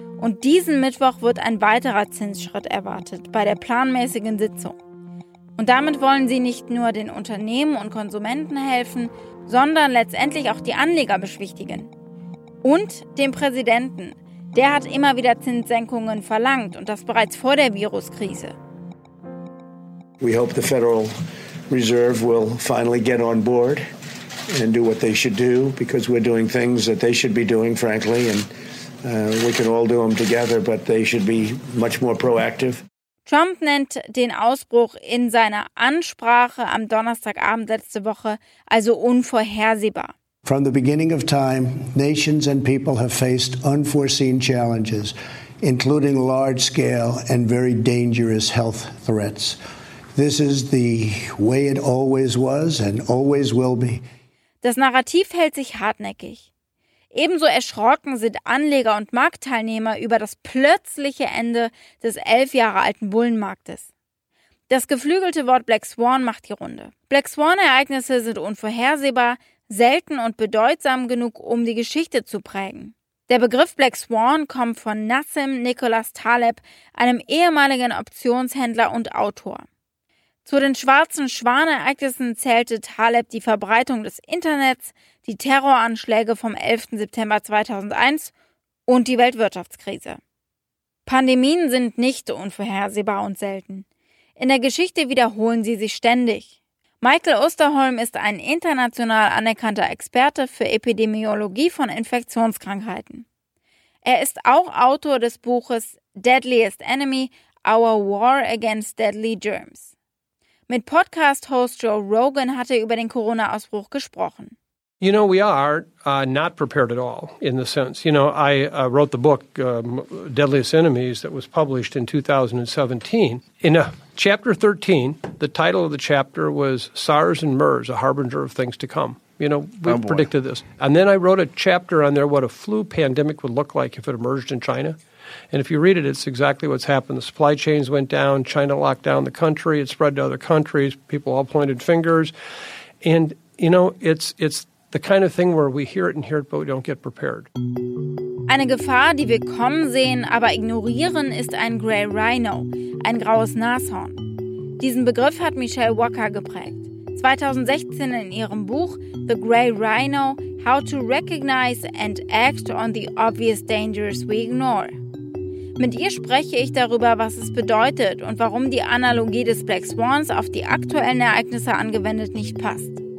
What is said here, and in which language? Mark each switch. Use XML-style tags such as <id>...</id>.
<de>Und diesen Mittwoch wird ein weiterer Zinsschritt erwartet bei der planmäßigen Sitzung. Und damit wollen sie nicht nur den Unternehmen und Konsumenten helfen, sondern letztendlich auch die Anleger beschwichtigen. Und den Präsidenten. Der hat immer wieder Zinssenkungen verlangt und das bereits vor der Viruskrise.</de> <en>We hope the Federal Reserve will finally get on board and do what they should do, because we're doing things that they should be doing, frankly, and we can all do them together, but they should be much more proactive.</en> <de>Trump nennt den Ausbruch in seiner Ansprache am Donnerstagabend letzte Woche also unvorhersehbar.</de> <en>From the beginning of time, nations and people have faced unforeseen challenges, including large-scale and very dangerous health threats. This is the way it always was and always will be.</en> <de>Das Narrativ hält sich hartnäckig. Ebenso erschrocken sind Anleger und Marktteilnehmer über das plötzliche Ende des 11 Jahre alten Bullenmarktes. Das geflügelte Wort Black Swan macht die Runde. Black Swan-Ereignisse sind unvorhersehbar, selten und bedeutsam genug, um die Geschichte zu prägen. Der Begriff Black Swan kommt von Nassim Nicholas Taleb, einem ehemaligen Optionshändler und Autor. Zu den schwarzen Schwanereignissen zählte Taleb die Verbreitung des Internets, die Terroranschläge vom 11. September 2001 und die Weltwirtschaftskrise. Pandemien sind nicht unvorhersehbar und selten. In der Geschichte wiederholen sie sich ständig. Michael Osterholm ist ein international anerkannter Experte für Epidemiologie von Infektionskrankheiten. Er ist auch Autor des Buches Deadliest Enemy, Our War Against Deadly Germs. Mit Podcast-Host Joe Rogan hat er über den Corona-Ausbruch gesprochen.</de> <en>You know, we are not prepared at all in the sense. You know, I wrote the book Deadliest Enemies that was published in 2017. In chapter 13, the title of the chapter was SARS and MERS, a harbinger of things to come. You know, we predicted this. And then I wrote a chapter on there, what a flu pandemic would look like if it emerged in China. And if you read it, it's exactly what's happened. The supply chains went down. China locked down the country. It spread to other countries. People all pointed fingers. And, you know, it's the kind of thing where we hear it and hear it, but we don't get prepared.</en> <de>Eine Gefahr, die wir kommen sehen, aber ignorieren, ist ein Grey Rhino, ein graues Nashorn. Diesen Begriff hat Michelle Walker geprägt. 2016 in ihrem Buch The Grey Rhino, How to Recognize and Act on the Obvious Dangers We Ignore. Mit ihr spreche ich darüber, was es bedeutet und warum die Analogie des Black Swans auf die aktuellen Ereignisse angewendet nicht passt.</de>